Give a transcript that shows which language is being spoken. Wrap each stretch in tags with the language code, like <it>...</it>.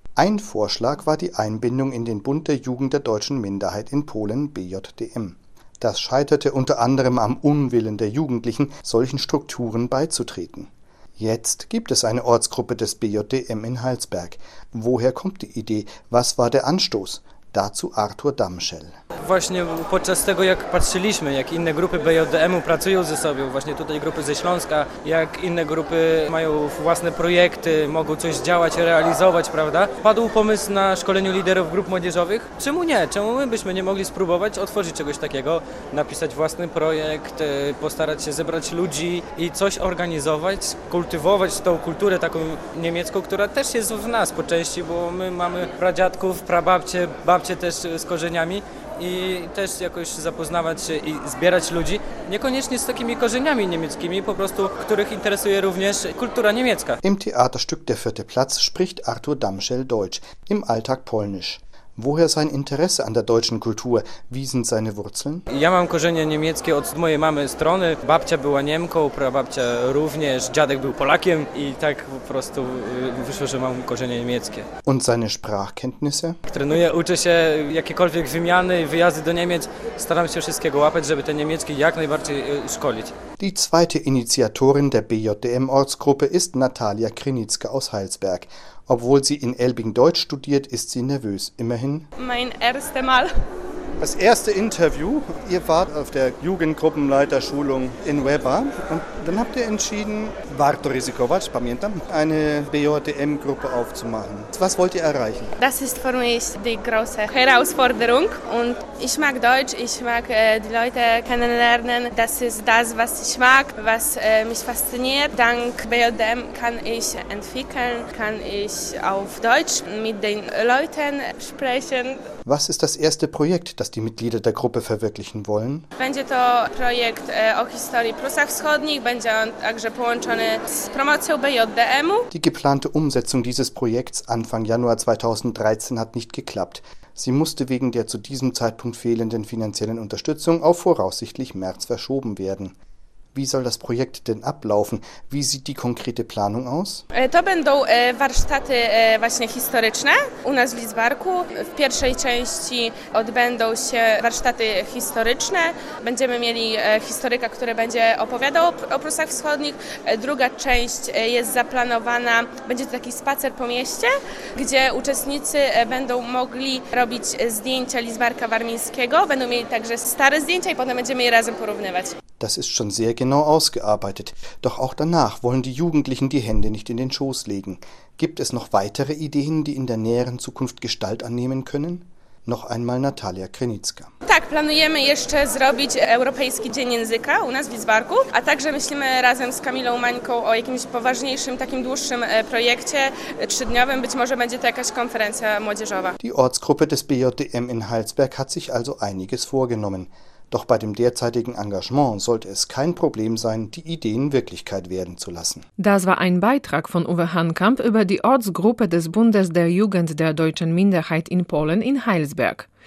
<de>Ein Vorschlag war die Einbindung in den Bund der Jugend der deutschen Minderheit in Polen, BJDM. Das scheiterte unter anderem am Unwillen der Jugendlichen, solchen Strukturen beizutreten. Jetzt gibt es eine Ortsgruppe des BJDM in Heilsberg. Woher kommt die Idee? Was war der Anstoß? Dazu Artur Damschel.</de> <pl>Właśnie podczas tego jak patrzyliśmy, jak inne grupy BJDM-u pracują ze sobą, właśnie tutaj grupy ze Śląska, jak inne grupy mają własne projekty, mogą coś działać, realizować, prawda? Padł pomysł na szkoleniu liderów grup młodzieżowych. Czemu nie? Czemu my byśmy nie mogli spróbować otworzyć czegoś takiego, napisać własny projekt, postarać się zebrać ludzi i coś organizować, kultywować tą kulturę taką niemiecką, która też jest w nas po części, bo my mamy pradziadków, prababcie, babcie też z korzeniami. I też jakoś zapoznawać się i zbierać ludzi, niekoniecznie z takimi korzeniami niemieckimi, po prostu których interesuje również kultura niemiecka.</pl> <de>Im Theaterstück Der vierte Platz spricht Artur Damschel Deutsch, im Alltag Polnisch. Woher sein Interesse an der deutschen Kultur? Wie sind seine Wurzeln?</de> <pl>Ja mam korzenie niemieckie od mojej mamy strony. Babcia była Niemką, prababcia również, dziadek był Polakiem i tak po prostu wyszło, że mam korzenie niemieckie.</pl> <de>Und seine Sprachkenntnisse?</de> <pl>Trenuję, uczę się jakiekolwiek wymiany, wyjazdy do Niemiec. Staram się wszystkiego łapać, żeby te niemieckie jak najbardziej szkolić.</pl> <de>Die zweite Initiatorin der BJDM-Ortsgruppe ist Natalia Krynicka aus Heilsberg. Obwohl sie in Elbing Deutsch studiert, ist sie nervös. Immerhin. Mein erstes Mal. Das erste Interview. Ihr wart auf der Jugendgruppenleiterschulung in Weber. Und dann habt ihr entschieden,</de> <pl>warto rizikować, pamiętam,</pl> <de>eine BJDM-Gruppe aufzumachen. Was wollt ihr erreichen? Das ist für mich die große Herausforderung. Und ich mag Deutsch, ich mag die Leute kennenlernen. Das ist das, was ich mag, was mich fasziniert. Dank BJDM kann ich entwickeln, kann ich auf Deutsch mit den Leuten sprechen. Was ist das erste Projekt, das die Mitglieder der Gruppe verwirklichen wollen?</de> <pl>Będzie to projekt o historii Prusach Wschodnich, będzie on także połączony z promocją BJDM-u.</pl> <de>Die geplante Umsetzung dieses Projekts Anfang Januar 2013 hat nicht geklappt. Sie musste wegen der zu diesem Zeitpunkt fehlenden finanziellen Unterstützung auf voraussichtlich März verschoben werden. Wie soll das Projekt denn ablaufen? Wie sieht die konkrete Planung aus?</de> <pl>To będą warsztaty właśnie historyczne u nas w Lidzbarku. W pierwszej części odbędą się warsztaty historyczne. Będziemy mieli historyka, który będzie opowiadał o Prusach Wschodnich. Druga część jest zaplanowana, będzie to taki spacer po mieście, gdzie uczestnicy będą mogli robić zdjęcia Lidzbarka Warmińskiego. Będą mieli także stare zdjęcia i potem będziemy je razem porównywać.</pl> <de>Das ist schon sehr genau ausgearbeitet. Doch auch danach wollen die Jugendlichen die Hände nicht in den Schoß legen. Gibt es noch weitere Ideen, die in der näheren Zukunft Gestalt annehmen können? Noch einmal Natalia Krenicka.</de> <pl>Tak, planujemy jeszcze zrobić Europejski Dzień Języka u nas w Lidzbarku, a także myślimy razem z Kamilą Mańką o jakimś poważniejszym, takim dłuższym projekcie trzydniowym. Być może będzie to jakaś konferencja młodzieżowa.</pl> <de>Die Ortsgruppe des BJDM in Halsberg hat sich also einiges vorgenommen. Doch bei dem derzeitigen Engagement sollte es kein Problem sein, die Ideen Wirklichkeit werden zu lassen. Das war ein Beitrag von Uwe Hankamp über die Ortsgruppe des Bundes der Jugend der deutschen Minderheit in Polen in Heilsberg.</de>